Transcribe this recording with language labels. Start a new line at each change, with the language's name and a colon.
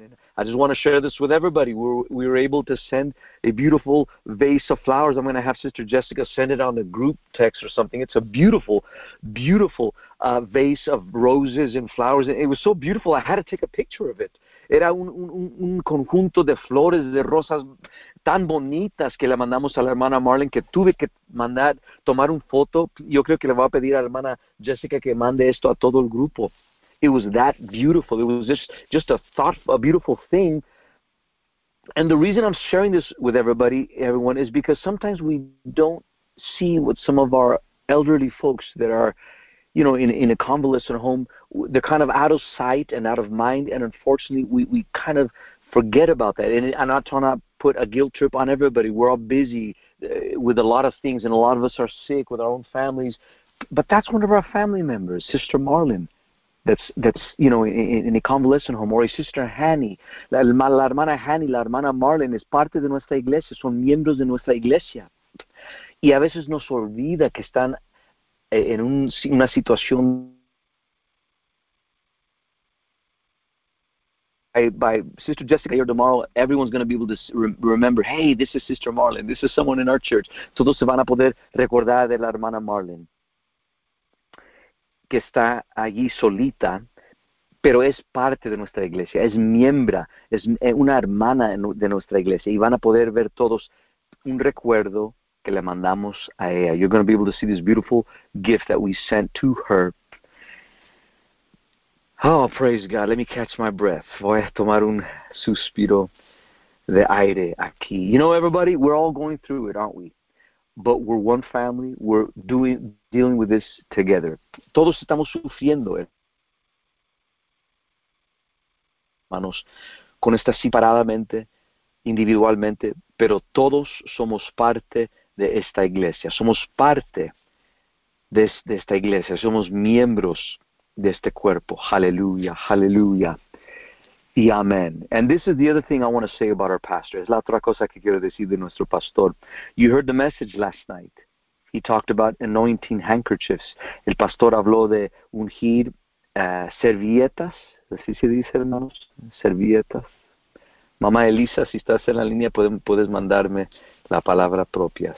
English: And I just want to share this with everybody. We were able to send a beautiful vase of flowers. I'm going to have Sister Jessica send it on a group text or something. It's a beautiful, beautiful vase of roses and flowers. It was so beautiful, I had to take a picture of it.
Spanish: Era un conjunto de flores, de rosas tan bonitas que le mandamos a la hermana Marlene que tuve que mandar, tomar una foto. Yo creo que le voy a pedir a la hermana Jessica que mande esto a todo el grupo.
English: It was that beautiful. It was just a thoughtful, a beautiful thing. And the reason I'm sharing this with everyone, is because sometimes we don't see what some of our elderly folks that are, you know, in a convalescent home, they're kind of out of sight and out of mind, and unfortunately, we kind of forget about that. And I'm not trying to put a guilt trip on everybody. We're all busy with a lot of things, and a lot of us are sick with our own families. But that's one of our family members, Sister Marlene, that's you know, in a convalescent home, or a Sister Hanny.
Spanish: La hermana Hanny, la hermana Marlene, es parte de nuestra iglesia, son miembros de nuestra iglesia. Y a veces nos olvida que están en una situación
English: by Sister Jessica here tomorrow, everyone's going to be able to remember, hey, this is Sister Marlene, this is someone in our church.
Spanish: Todos se van a poder recordar de la hermana Marlene, que está allí solita, pero es parte de nuestra iglesia, es miembro, es una hermana de nuestra iglesia, y van a poder ver todos un recuerdo que le mandamos a ella.
English: You're going to be able to see this beautiful gift that we sent to her. Oh, praise God. Let me catch my breath.
Spanish: Voy a tomar un suspiro de aire aquí.
English: You know, everybody, we're all going through it, aren't we? but we're one family, we're dealing with this together.
Spanish: Todos estamos sufriendo, hermanos, con esta separadamente, individualmente, pero todos somos parte de esta iglesia, somos parte de esta iglesia, somos miembros de este cuerpo. Aleluya, aleluya. Y amén.
English: And this is the other thing I want to say about our pastor.
Spanish: Es la otra cosa que quiero decir de nuestro pastor.
English: You heard the message last night. He talked about anointing handkerchiefs.
Spanish: El pastor habló de ungir servilletas. ¿Así se dice, hermanos? Servilletas. Mamá Elisa, si estás en la línea, puedes mandarme la palabra propia.